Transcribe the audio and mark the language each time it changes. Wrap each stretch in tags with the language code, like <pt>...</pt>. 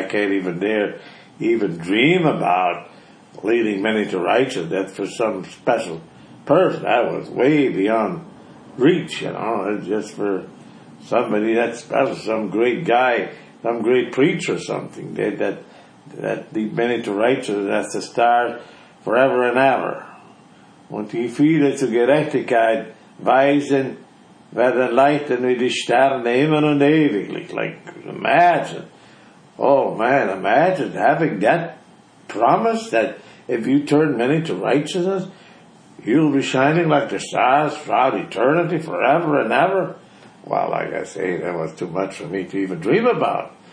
<en>I can't even dream about leading many to righteousness, that's for some special person. That was way beyond reach, you know. It's just for somebody that special, some great guy, some great preacher or something. That lead many to righteousness, that's the star forever and ever.</en> <de>Und die viele zu Gerechtigkeit weisen, werden leichten wie die Sterne immer und ewiglich.</de> <en>Like, imagine. Oh, man, imagine having that promise that if you turn many to righteousness, you'll be shining like the stars throughout eternity, forever and ever. Well, like I say, that was too much for me to even dream about.</en>